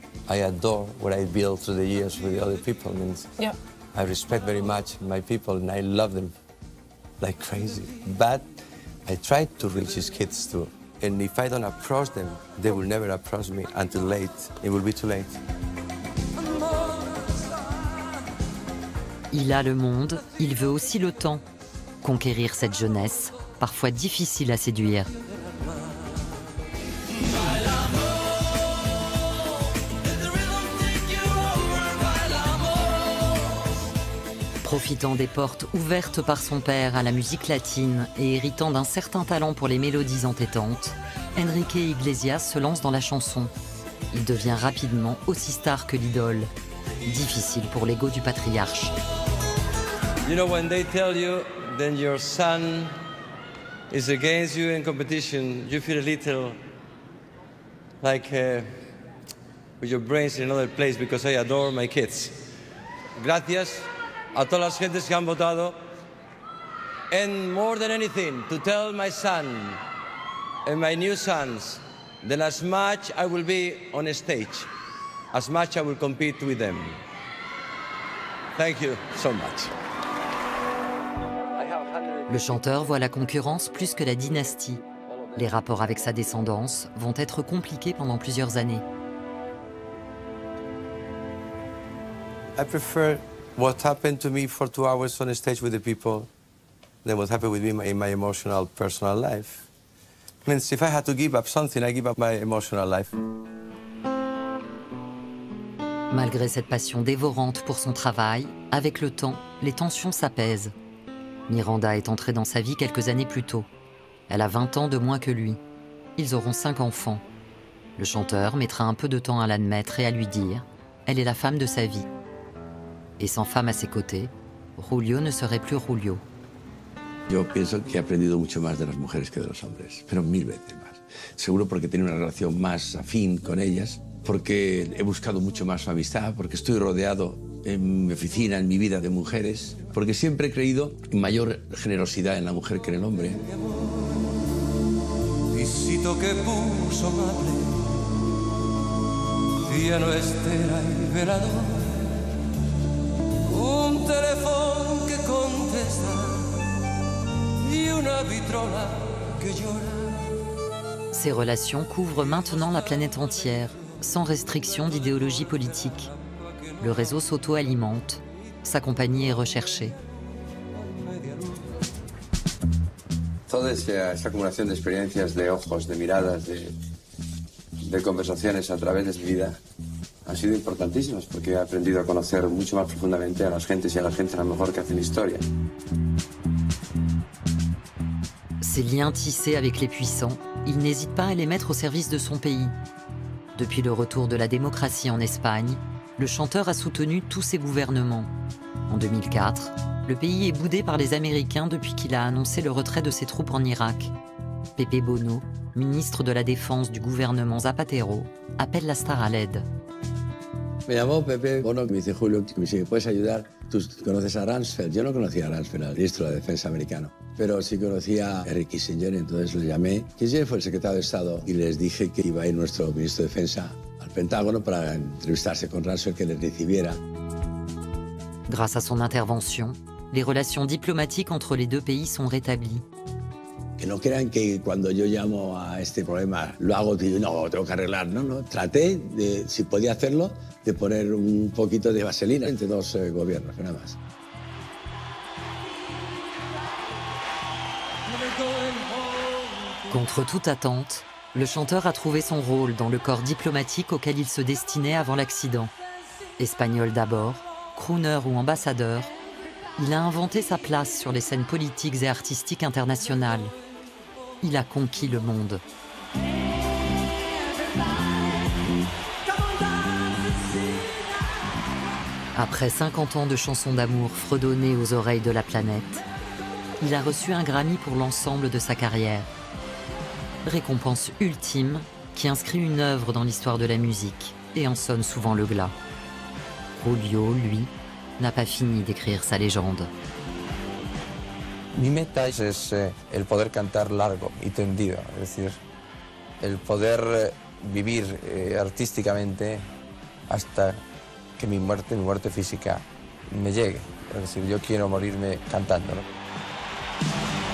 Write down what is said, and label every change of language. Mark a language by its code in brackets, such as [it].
[en] I adore what I built through the years with the other people. Yeah. I respect very much my people and I love them like crazy. But I try to reach these kids too. And if I don't approach them, they will never approach me until late. It will be too late. [fr] Il a le monde, il veut aussi le temps. Conquérir cette jeunesse, parfois difficile à séduire. Profitant des portes ouvertes par son père à la musique latine et héritant d'un certain talent pour les mélodies entêtantes, Enrique Iglesias se lance dans la chanson. Il devient rapidement aussi star que l'idole. Difficile pour l'ego du patriarche. [en] You know, when they tell you that your son is against you in competition, you feel a little like with your brains in another place because I adore my kids. [es] Gracias a todas las gentes que han votado. [en] And more than anything, to tell my son and my new sons that as much I will be on a stage, as much I will compete with them. Thank you so much. [fr] Le chanteur voit la concurrence plus que la dynastie. Les rapports avec sa descendance vont être compliqués pendant plusieurs années. [en] I prefer what happened to me for 2 hours on a stage with the people than what happened with me in my emotional personal life. I mean, if I had to give up something, I give up my emotional life. [fr] Malgré cette passion dévorante pour son travail, avec le temps, les tensions s'apaisent. Miranda est entrée dans sa vie quelques années plus tôt. Elle a 20 ans de moins que lui. Ils auront 5 enfants. Le chanteur mettra un peu de temps à l'admettre et à lui dire « Elle est la femme de sa vie ». Et sans femme à ses côtés, Julio ne serait plus Julio. [es] Yo pienso que he aprendido mucho más de las mujeres que de los hombres, pero mil veces más. Seguro porque tenía una relación más afín con ellas, porque he buscado mucho más su amistad, porque estoy rodeado en mi oficina, en mi vida de mujeres, porque siempre he creído en mayor generosidad en la mujer que en el hombre. Visito que puso madre, cielo estera y velador, un teléfono que contesta y una vitrola que llora. [fr] Ces relations couvrent maintenant la planète entière, sans restriction d'idéologie politique. Le réseau s'auto-alimente, sa compagnie est recherchée. [es] Toda esa acumulación de experiencias, de ojos, de miradas, de conversaciones a través de mi vida han sido importantísimas porque he aprendido a conocer mucho más profundamente a las gentes y a la gente a lo mejor que hacen historia. [fr] Ces liens tissés avec les puissants, il n'hésite pas à les mettre au service de son pays. Depuis le retour de la démocratie en Espagne, le chanteur a soutenu tous ses gouvernements. En 2004, le pays est boudé par les Américains depuis qu'il a annoncé le retrait de ses troupes en Irak. Pepe Bono, ministre de la Défense du gouvernement Zapatero, appelle la star à l'aide. [es] Me llamó Pepe Bono, me dice Julio, si me puedes ayudar Tú conoces a Rumsfeld. Yo no conocía a Rumsfeld, al ministro de la Defensa americano. Pero sí conocía a Henry Kissinger, entonces lo llamé. Kissinger fue el secretario de Estado y les dije que iba a ir nuestro ministro de Defensa al Pentágono para entrevistarse con Rumsfeld, que les recibiera. [fr] Grâce à son intervention, les relations diplomatiques entre les deux pays sont rétablies. [es] Que no crean que cuando yo llamo a este problema lo hago y no, tengo que arreglar. No, no. Traté, de, si podía hacerlo, de poner un poquito de vaselina entre dos gobiernos, nada más. [fr] Contre toute attente, le chanteur a trouvé son rôle dans le corps diplomatique auquel il se destinait avant l'accident. Espagnol d'abord, crooner ou ambassadeur, il a inventé sa place sur les scènes politiques et artistiques internationales. Il a conquis le monde. Après 50 ans de chansons d'amour fredonnées aux oreilles de la planète, il a reçu un Grammy pour l'ensemble de sa carrière. Récompense ultime qui inscrit une œuvre dans l'histoire de la musique et en sonne souvent le glas. Julio, lui, n'a pas fini d'écrire sa légende. [es] Mi meta es el poder cantar largo y tendido, es decir, el poder vivir artísticamente hasta que mi muerte física, me llegue. Es decir, yo quiero morirme cantando, ¿no?